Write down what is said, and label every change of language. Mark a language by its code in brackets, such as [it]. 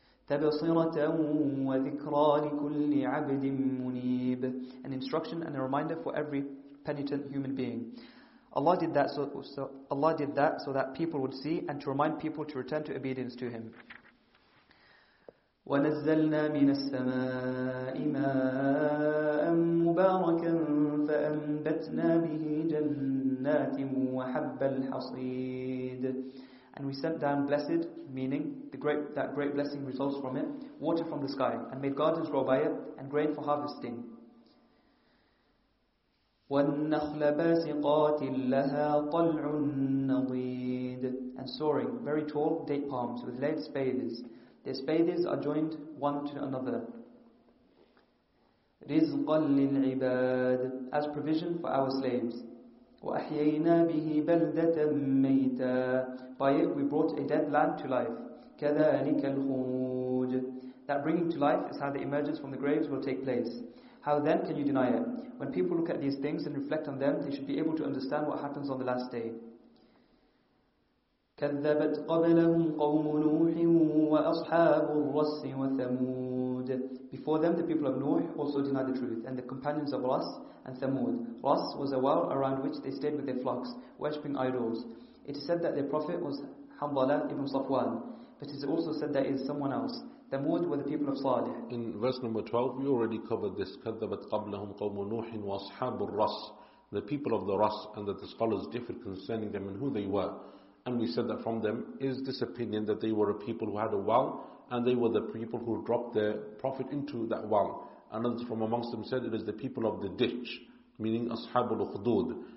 [ar] تَبْصِرَةً وَذِكْرَى لِكُلِّ عَبْدٍ مُنِيبٍ. [en] An instruction and a reminder for every penitent human being. Allah did that so that people would see and to remind people to return to obedience to Him. [ar] ونزلنا من السماء ماء مباركا فأنبتنا به جنات وحب الحصيد. [en] And we sent down blessed, meaning the great, that great blessing results from it, water from the sky, and made gardens grow by it, and grain for harvesting. [ar] والنخل باسقات لها طلع نضيد. [en] And soaring, very tall date palms with lead spathes. Their spathes are joined one to another. [ar] رزقا للعباد. [en] As provision for our slaves. [ar] وأحيينا به بلدة ميتا. [en] By it we brought a dead land to life. [ar] كذلك الخروج. [en] That bringing to life is how the emergence from the graves will take place. How then can you deny it? When people look at these things and reflect on them, they should be able to understand what happens on the last day. [ar] كذبت قبلهم قوم نوح وأصحاب الرس وثمود. [en] Before them, the people of Nuh also denied the truth, and the companions of Ras and Thamud. Ras was a well around which they stayed with their flocks, worshipping idols. It is said that their prophet was Hanbala ibn Safwan, but it is also said that it is someone else. Thamud were the people of Salih. In verse number 12, we already covered this. [ar] كذبت قبلهم قوم نوح وأصحاب الرس. [en] The people of the Ras, and that the scholars differed concerning them and who they were. And we said that from them is this opinion that they were a people who had a well, and they were the people who dropped their prophet into that well. And others from amongst them said it is the people of the ditch, meaning Ashabul Khudud.